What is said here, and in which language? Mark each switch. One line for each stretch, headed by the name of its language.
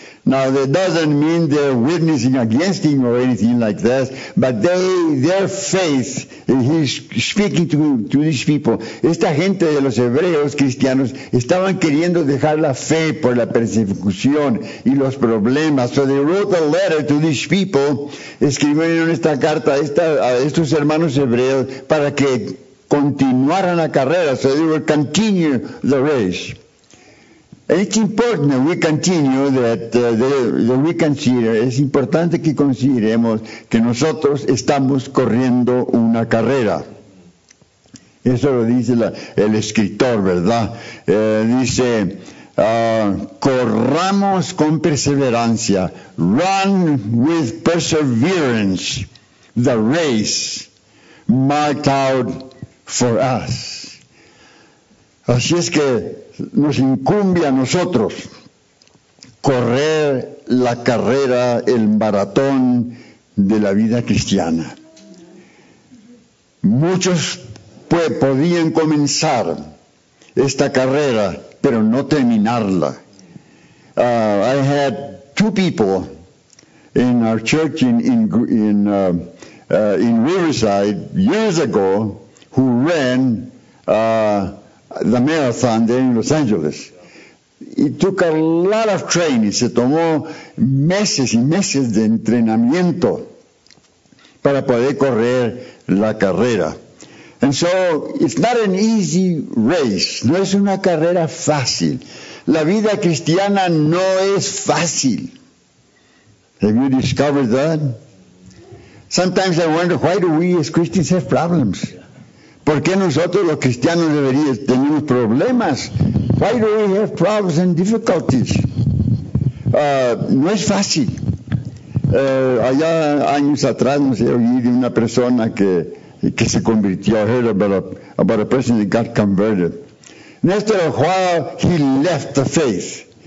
English: Now, that doesn't mean they're witnessing against him or anything like that, but their faith, he's speaking to these people.
Spanish: Esta gente de los hebreos cristianos estaban queriendo dejar la fe por la persecución y los problemas.
English: So they wrote a letter to these people,
Spanish: escribieron esta carta a estos hermanos hebreos para que continuaran la carrera.
English: So they will continue the race. And it's important that we continue that we consider,
Spanish: es importante que consideremos que nosotros estamos corriendo una carrera. Eso lo dice el escritor, ¿verdad? Dice, corramos con perseverancia,
English: run with perseverance, the race marked out for us.
Spanish: Así es que nos incumbe a nosotros correr la carrera, el maratón de la vida cristiana. Muchos podían comenzar esta carrera, pero no terminarla.
English: I had two people in our church in Riverside years ago who ran the marathon there in Los Angeles. It took a lot of training.
Spanish: Se tomó meses y meses de entrenamiento para poder correr la carrera.
English: And so, it's not an easy race.
Spanish: No es una carrera fácil. La vida cristiana no es fácil.
English: Have you discovered that? Sometimes I wonder, why do we as Christians have problems?
Spanish: ¿Por qué nosotros los cristianos deberíamos tener problemas?
English: Why do we have problems and difficulties?
Spanish: No es fácil. Allá años atrás, no sé, oí de una persona que se convirtió.
English: I heard about a person that got converted. And after a while, he left the faith.